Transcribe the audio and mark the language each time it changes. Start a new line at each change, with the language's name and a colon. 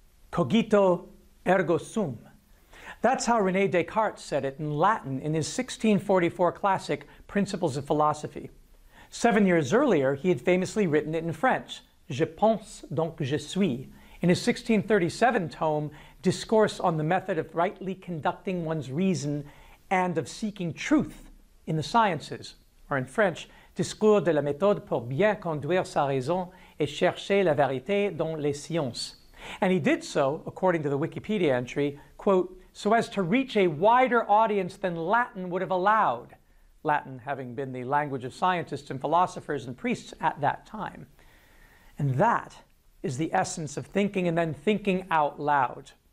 Latin: Cogito ergo sum.
English: That's how René Descartes said it in Latin in his 1644 classic, Principles of Philosophy. 7 years earlier, he had famously written it in French,
French: Je pense, donc je suis,
English: in his 1637 tome, Discourse on the Method of Rightly Conducting One's Reason and of Seeking Truth in the sciences, or in French,
French: Discours de la méthode pour bien conduire sa raison et chercher la vérité dans les sciences.
English: And he did so, according to the Wikipedia entry, quote, so as to reach a wider audience than Latin would have allowed, Latin having been the language of scientists and philosophers and priests at that time. And that is the essence of thinking and then thinking out loud.